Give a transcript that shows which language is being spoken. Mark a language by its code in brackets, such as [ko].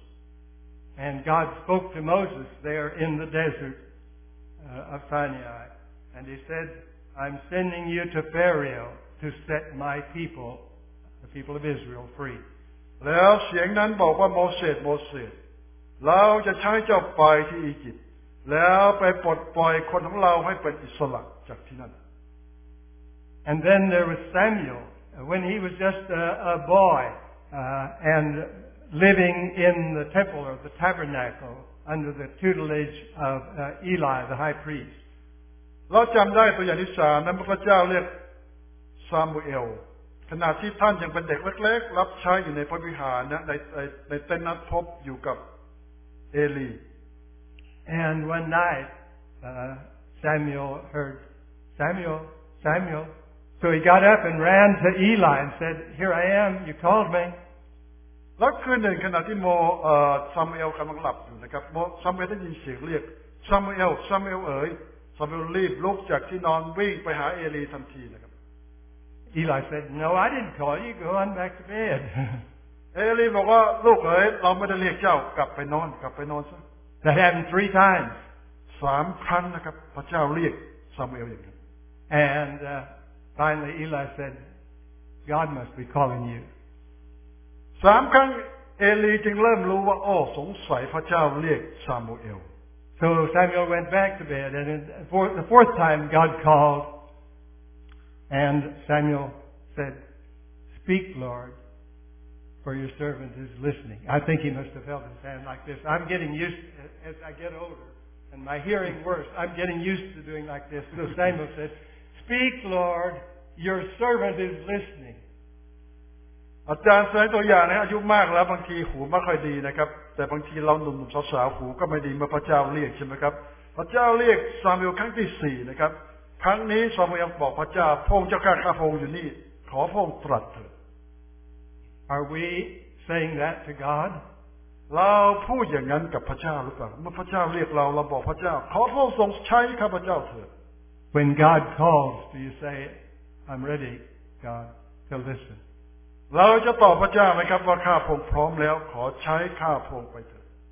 [en] And God spoke to Moses there in the desert of Sinai and he said I'm sending you to Pharaoh to set my people the people of Israel free [th] แล้วเสียงนั้นบอกว่าโมเสสเราจะใช้เจ้าไปที่อียิปต์ แล้วไปปลดปล่อยคนของเราให้เป็นอิสระจากที่นั่น [en] And then there was Samuel when he was just a boy and living in the temple or the tabernacle under the tutelage of Eli the high priest [th] เราจำได้ตัวอย่างที่สามนั้นพระเจ้าเรียกซามูเอลขณะที่ท่านยังเป็นเด็กเล็กๆรับใช้อยู่ในพระวิหารนะในเต็นท์นัดพบอยู่กับเอลี [en] And one night Samuel heard Samuel so he got up and ran to Eli and said here I am you called me [th] แล้วคืนหนึ่งขณะที่โมซามูเอลกำลังหลับอยู่นะครับโมซามูเอลได้ยินเสียงเรียกซามูเอลซามูเอลเอ๋ยซามูเอลรีบลุกจากที่นอนวิ่งไปหาเอลีทันทีนะครับ [en] Eli said, "No, I didn't call you. Go on back to bed." [th] Eli บอกว่าลูกเอ๋ยเราไม่ได้เรียกเจ้ากลับไปนอนซะ [en] That happened three times. [th] สามครั้งนะครับพระเจ้าเรียกซามูเอลอย่างนี้ [en] And finally, Eli said, "God must be calling you." [th] สามครั้งเอลีจึงเริ่มรู้ว่าโอ้สงสัยพระเจ้าเรียกซามูเอล [en] So Samuel went back to bed, and for the fourth time, God called. And Samuel said, "Speak, Lord, for your servant is listening." I think he must have felt his hand like this. I'm getting used to, as I get older, and my hearing worse. I'm getting used to doing like this. So Samuel said, "Speak, Lord, your servant is listening." [th] อาจารย์เสนอตัวอย่างนะอายุมากแล้วบางทีหูไม่ค่อยดีนะครับแต่บางทีเราหนุ่มๆสาวๆหูก็ไม่ดีเมื่อพระเจ้าเรียกใช่ไหมครับพระเจ้าเรียกซามูเอลครั้งที่สี่นะครับครั้งนี้ซามูเอลบอกพระเจ้าพระองค์เจ้าข้าพระองค์อยู่นี่ขอพระองค์ตรัสเถิด [en] Are we saying that to God? [th] เราพูดอย่างนั้นกับพระเจ้าหรือเปล่าเมื่อพระเจ้าเรียกเราเราบอกพระเจ้าขอพระองค์ทรงใช้ข้าพระเจ้าเถิด [en] When God calls, do you say, "I'm ready, God, to listen"? [th] เราจะตอบพระเจ้าไหมครับว่าข้าพระองค์พร้อมแล้วขอใช้ข้าพระองค์ไปเถิด